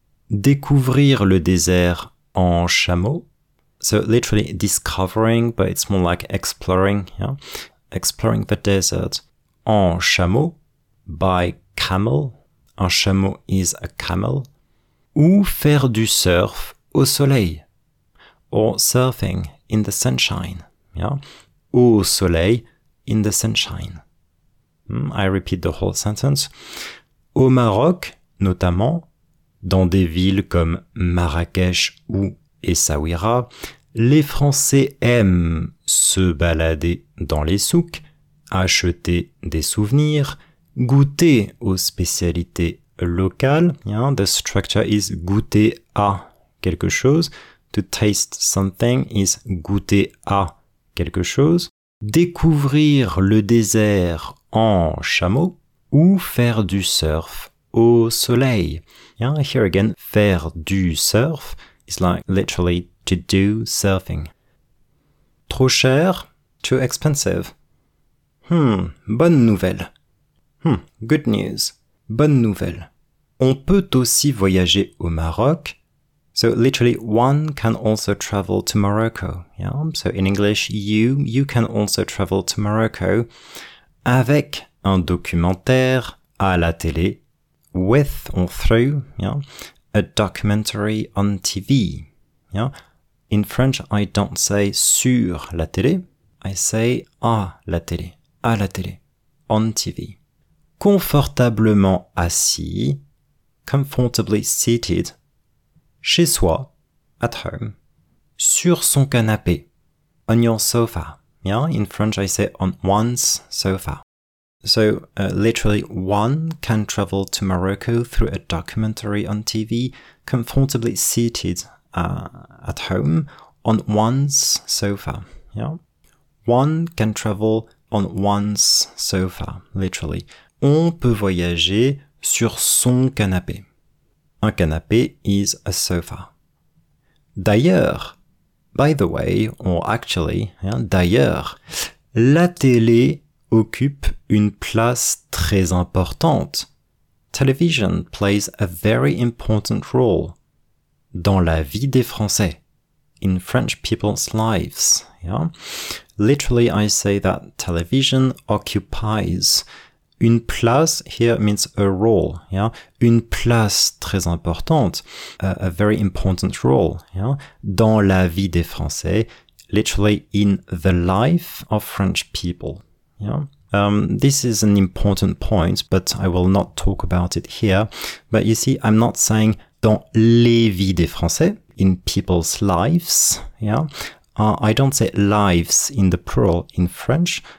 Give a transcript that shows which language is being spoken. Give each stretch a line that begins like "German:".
French: Découvrir le désert en chameau.
English: So literally discovering, but it's more like exploring. Yeah? Exploring the desert.
French: En chameau.
English: By camel.
French: Un chameau
English: is a camel.
French: Ou faire du surf au soleil.
English: Or surfing in the sunshine. Yeah?
French: Au soleil,
English: in the sunshine. I repeat the whole sentence.
French: Au Maroc, notamment, dans des villes comme Marrakech ou Essaouira, les Français aiment se balader dans les souks, acheter des souvenirs, goûter aux spécialités local,
English: yeah, the structure is
French: goûter à quelque chose.
English: To taste something is
French: goûter à quelque chose. Découvrir le désert en chameau ou faire du surf au soleil.
English: Yeah, here again,
French: faire du surf
English: is like literally to do surfing.
French: Trop cher,
English: too expensive.
French: Bonne nouvelle.
English: Good news,
French: bonne nouvelle. On peut aussi voyager au Maroc.
English: So literally, one can also travel to Morocco. Yeah. So in English, you can also travel to Morocco
French: avec un documentaire à la télé,
English: with or through, yeah, a documentary on TV. Yeah. In French, I don't say
French: sur la télé.
English: I say
French: à la télé,
English: on TV.
French: Confortablement assis.
English: Comfortably seated,
French: chez soi,
English: at home.
French: Sur son canapé.
English: On your sofa. Yeah, in French I say on one's sofa. So, literally, one can travel to Morocco through a documentary on TV, comfortably seated at home on one's sofa. Yeah? One can travel on one's sofa, literally.
French: On peut voyager sur son canapé. Un canapé
English: is a sofa.
French: D'ailleurs,
English: by the way, or actually, yeah,
French: d'ailleurs, la télé occupe une place très importante.
English: Television plays a very important role
French: dans la vie des Français.
English: In French people's lives. Yeah? Literally, I say that television occupies
French: une place.
English: Here means a role. Yeah?
French: Une place très importante.
English: A very important role. Yeah?
French: Dans la vie des Français.
English: Literally, in the life of French people. Yeah. This is an important point, but I will not talk about it here. But you see, I'm not saying
French: dans les vies des Français,
English: in people's lives. Yeah. I don't say lives in the plural in French.